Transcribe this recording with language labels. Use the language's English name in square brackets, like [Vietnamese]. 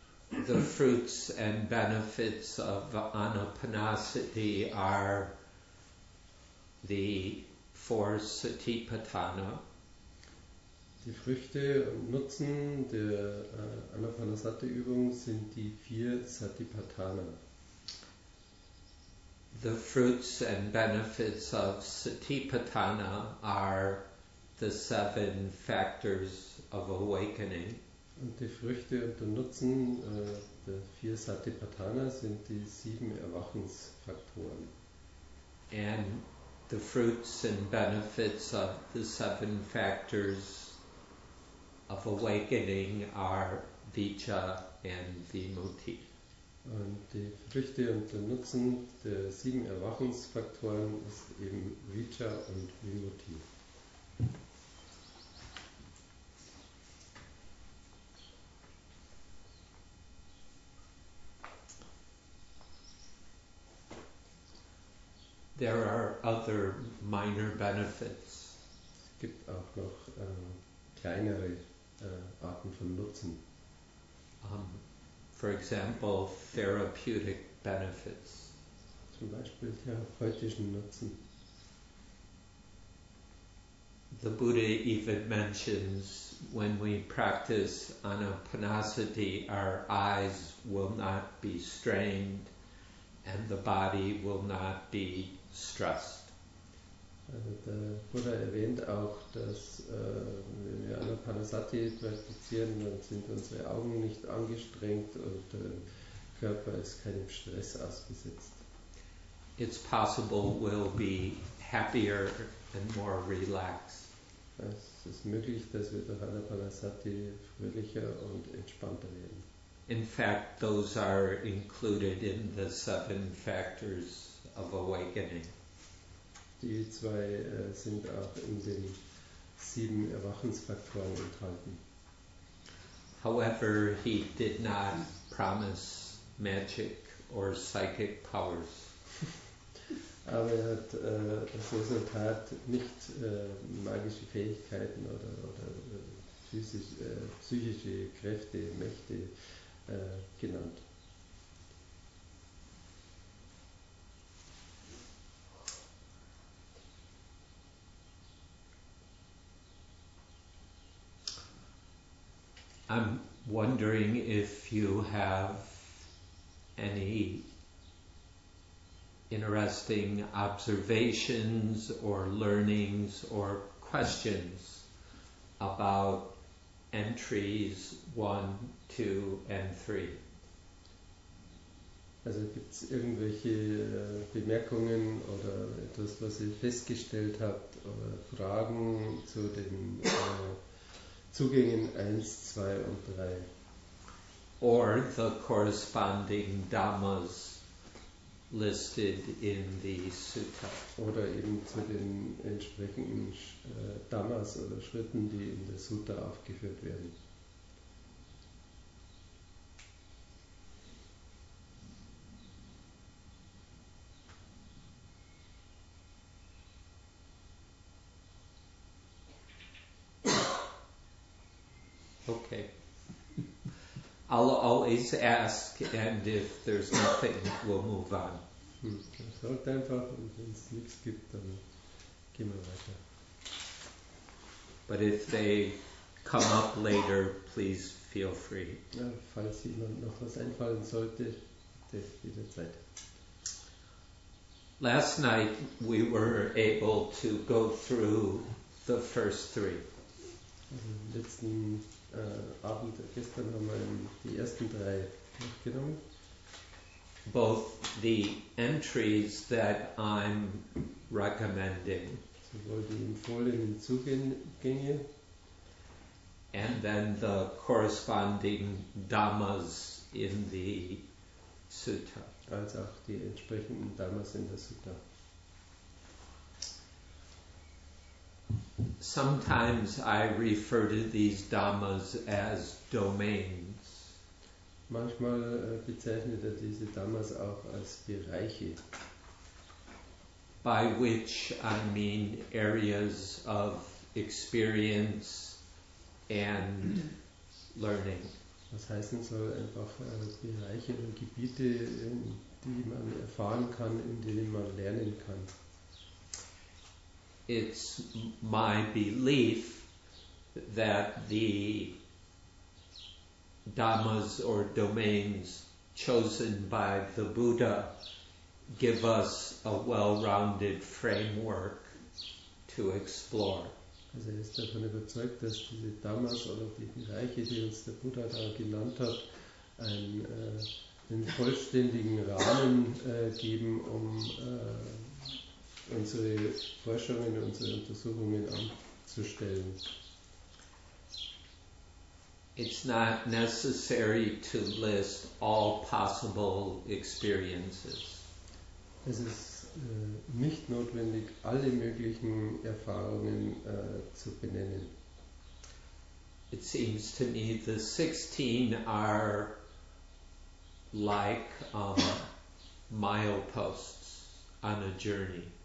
[English] The fruits and benefits of Anapanasati are the four Satipatthana. [German] Die Früchte und Nutzen der Anapanasati-Übung sind die vier Satipatthana. [English] The fruits and benefits of Satipatthana are the seven factors of awakening. [German] Und die Früchte und der Nutzen der vier Satipatthana sind die sieben Erwachensfaktoren. [English] And the fruits and benefits of the seven factors of awakening are vicha and vimutti. [German] Und die Früchte und der Nutzen der sieben Erwachungsfaktoren ist eben Vicha und Vimutti. [English] There are other minor benefits. [German] gibt auch noch kleinere Arten von Nutzen. [English] For example, therapeutic benefits. [German] Zum Beispiel therapeutischen Nutzen. [English] The Buddha even mentions when we practice anapanasati, our eyes will not be strained and the body will not be stressed. [German] Also der Buddha erwähnt auch, dass wenn wir Anapanasati praktizieren, dann sind unsere Augen nicht angestrengt und der Körper ist keinem Stress ausgesetzt. [English] It's possible we'll be happier and more relaxed. [German] Es ist möglich, dass wir durch Anapanasati fröhlicher und entspannter werden. [English] In fact, those are included in the seven factors of awakening. [German] Die zwei sind auch in den sieben Erwachensfaktoren enthalten. [English] However, he did not promise magic or psychic powers. [German] Aber er hat das Resultat nicht magische Fähigkeiten oder psychische Kräfte, Mächte genannt. [English] I'm wondering if you have any interesting observations or learnings or questions about entries 1, 2, and 3. [German] Also gibt es irgendwelche Bemerkungen oder etwas, was ihr festgestellt habt, oder Fragen zu den Zugängen 1, 2 und 3? [English] Or the corresponding Dhammas listed in the Sutta. [German] Oder eben zu den entsprechenden Dhammas oder Schritten, die in der Sutta aufgeführt werden. [English] Okay. I'll always ask, and if there's nothing, we'll move on. [German] Sagt einfach, und wenn es nichts gibt, dann gehen wir weiter. [English] But if they come up later, please feel free. [German] Ja, falls jemand noch was einfallen sollte, bitte jederzeit. [English] Last night we were able to go through the first three. [German] Also letzten Abend, gestern haben wir die ersten drei mitgenommen. [English] Both the entries that I'm recommending, [German] sowohl die empfohlenen Zugänge, [English] and then the corresponding Dhammas in the Sutta, [German] als auch die entsprechenden Dhammas in der Sutta. [English] Sometimes I refer to these Dhammas as domains. [German] Manchmal bezeichnet er diese Dhammas auch als Bereiche. [English] By which I mean areas of experience and learning. [German] Was heißen soll einfach Bereiche und Gebiete, die man erfahren kann, in denen man lernen kann. [English] It's my belief that the Dhammas or domains chosen by the Buddha give us a well-rounded framework to explore. [German] Also er ist davon überzeugt, dass diese Dhammas oder die Bereiche, die uns der Buddha da genannt hat, einen vollständigen Rahmen geben, um unsere Forschungen, unsere Untersuchungen anzustellen. [English] It's not necessary to list all possible experiences. [German] Es ist nicht notwendig, alle möglichen Erfahrungen zu benennen. [English] It seems to me the 16 are like mileposts on a journey.